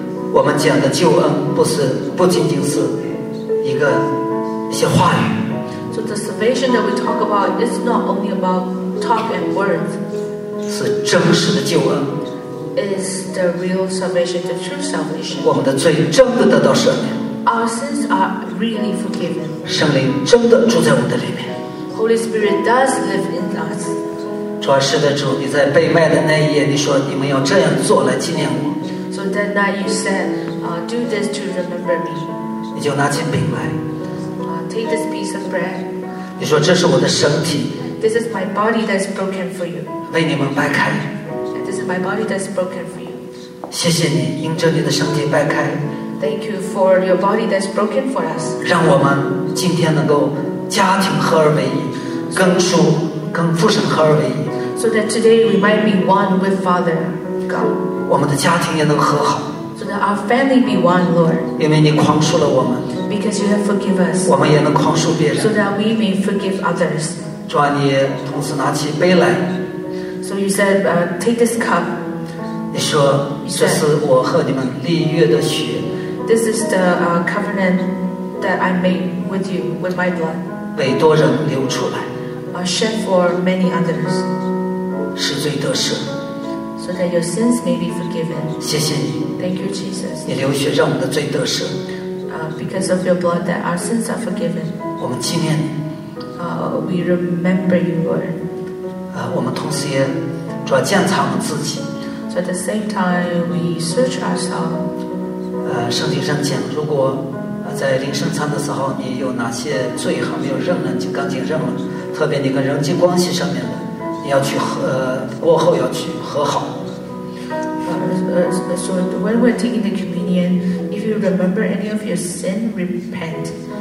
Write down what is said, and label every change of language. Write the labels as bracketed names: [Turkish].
[Chinese] 我们讲的救恩不仅仅是一些话语。 [English] So the salvation that we talk about is not only about talk and words. [Chinese] 是真实的救恩。 [English] Is the real salvation the true salvation? [Chinese] 我们的罪真的得到赦免。 [English] Our sins are really forgiven. [Chinese] 圣灵真的住在我们的里面。 [English] Holy Spirit does live in us. [Chinese] 主啊，是的，主，你在被卖的那一夜，你说你们要这样做来纪念我。 [English] So that night you said, do this to remember me. [Chinese] 你就拿起饼来。 [English] Take this piece of bread. [Chinese] 你说这是我的身体。 [English] This is my body that's broken for you. [Chinese] 为你们掰开。 [English] This is my body that's broken for you. [Chinese] 谢谢你，因着你的身体掰开。 [English] Thank you for your body that's broken for us. [Chinese] 让我们今天能够家庭合而为一，跟主、跟父神合而为一。 [English] So that today we might be one with Father God. [Chinese] 我们的家庭也能和好。 [English] So that our family be one, Lord. [Chinese] 因为你宽恕了我们。 [English] Because you have forgiven us. [Chinese] 我们也能宽恕别人。 [English] So that we may forgive others. [Chinese] 主啊，你同时拿起杯来。 [English] So you said, take this cup. [Chinese] 你说，这是我和你们立约的血。 [English] This is the covenant that I made with you, with my blood. [Chinese] 被多人流出来。 [English] Shed for many others. [Chinese] 使罪得赦。 [English] So that your sins may be forgiven. [Chinese] 谢谢你。 [English] Thank you, Jesus. [Chinese] 你流血让我们的罪得赦。 [English] Because of your blood, that our sins are forgiven. [Chinese] 我们纪念你。 [English] We remember you, Lord. [Chinese] 我们同时也主要检查我们自己。 [English] So at the same time, we search ourselves. [Chinese] 圣经上讲，如果在领圣餐的时候，你有哪些罪还没有认了，就赶紧认了。特别你跟人际关系上面的，你要去过后要去和好。 [English] So when we're taking the communion, if you remember any of your sin, repent.